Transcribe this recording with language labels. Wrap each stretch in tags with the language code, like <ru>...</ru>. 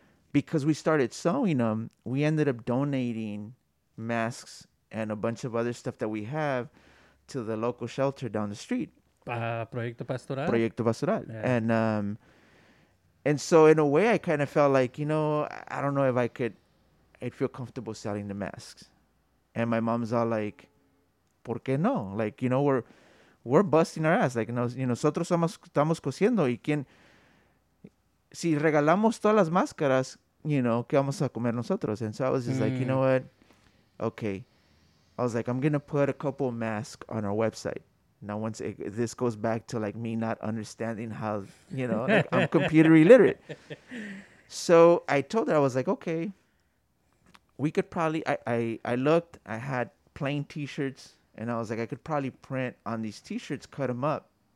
<en>Because we started sewing them, we ended up donating masks and a bunch of other stuff that we have to the local shelter down the street.</en> <es>Proyecto Pastoral. Proyecto Pastoral. Yeah.</es> <en>And so in a way, I kind of felt like, you know, I don't know if I'd feel comfortable selling the masks. And my mom's all like,</en> <es>¿por qué no?</es> <en>Like, you know, we're busting our ass.</en> <es>Like, you know, nosotros estamos cosiendo y quien... Si regalamos todas las máscaras, you know, ¿qué vamos a comer nosotros?</es> <en>And so I was just like, you know what? Okay. I was like, I'm going to put a couple of masks on our website. Now, once this goes back to, like, me not understanding how, you know, like, I'm computer illiterate. So I told her, I was like, okay, we could probably, I looked, I had plain t-shirts, and I was like, I could probably print on these t-shirts, cut them up.</en>